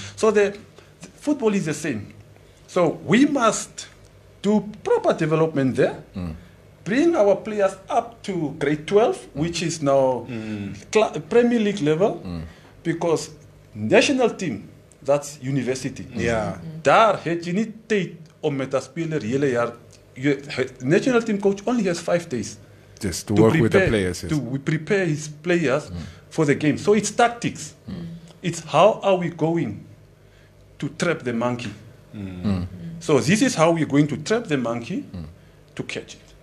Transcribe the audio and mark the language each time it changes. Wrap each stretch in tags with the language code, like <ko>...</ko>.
<en>So the football is the same. So we must do proper development there, bring our players up to grade 12, which is now Premier League level, because national team, that's university.</en> <af>Daar het jy nie tyd om met 'n speler hele jaar.</af> <en>National team coach only has 5 days. Just to work prepare, with the players. To prepare his players for the game. So it's tactics. It's how are we going to trap the monkey. So this is how we're going to trap the monkey to catch it.</en>